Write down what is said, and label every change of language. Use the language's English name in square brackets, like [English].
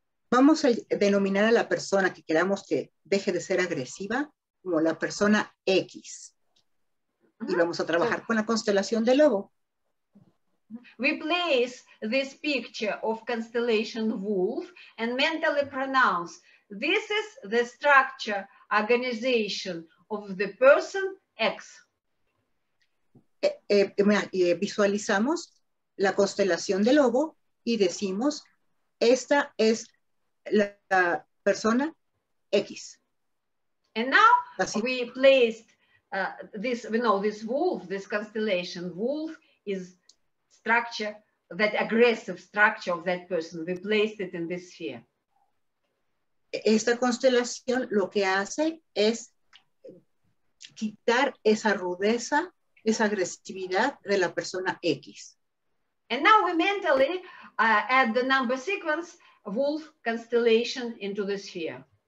[Spanish] Vamos a denominar a la persona que queramos que deje de ser agresiva como la persona X. Y vamos a trabajar con la constelación de Lobo. [English] We place this picture of constellation Wolf and mentally pronounce this is the structure organization of the person X. [Spanish] Visualizamos la constelación de Lobo y decimos, esta es la persona X. [English] And now así. We placed this, we know this wolf, this constellation wolf is structure, that aggressive structure of that person. We placed it in this sphere. [Spanish] Esta constelación lo que hace es quitar esa rudeza, esa agresividad de la persona X. [English] And now we mentally add the number sequence wolf constellation into the sphere.